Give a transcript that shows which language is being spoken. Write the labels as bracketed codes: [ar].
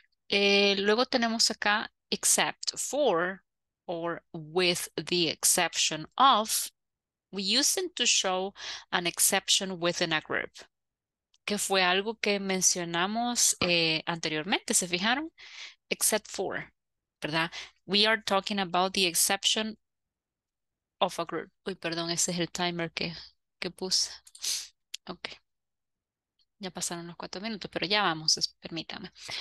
[es] Luego tenemos acá [en] except for or with the exception of. We use them to show an exception within a group. [es] Que fue algo que mencionamos anteriormente, ¿se fijaron? [en] Except for, ¿verdad? We are talking about the exception of a group. [es] Uy, perdón, ese es el timer que puse. Ok. Ya pasaron los 4 minutos, pero ya vamos, permítame.